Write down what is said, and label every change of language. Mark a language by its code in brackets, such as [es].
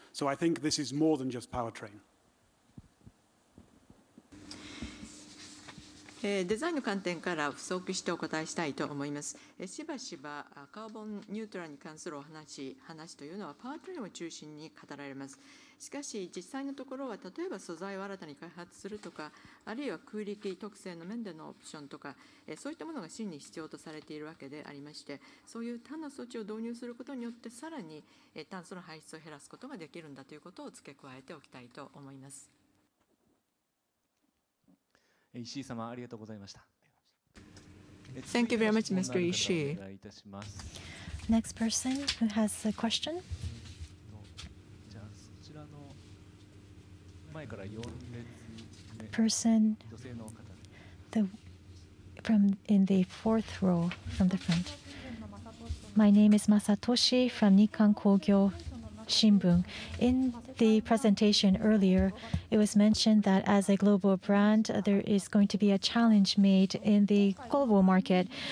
[en] So I think this is more than just powertrain. [ja] デザインの観点から不足してお答えしたいと思います。しばしばカーボンニュートラルに関するお話というのはパワートレインを中心に語られます。しかし実際のところは例えば素材を新たに開発するとかあるいは空力特性の面でのオプションとかそういったものが真に必要とされているわけでありましてそういう他の措置を導入することによってさらに炭素の排出を減らすことができるんだということを付け加えておきたいと思います。石井様ありがとうございました。 [en] Thank you very much, Mr. Ishii. Next person who has a question. [ja] じゃあそちらの前から4列目。 [en] Person, the from in the fourth row from the front. My name is Masatoshi from Nikkan Kogyo Shimbun. In the presentation earlier, it was mentioned that as a global brand, there is going to be a challenge made in the global market.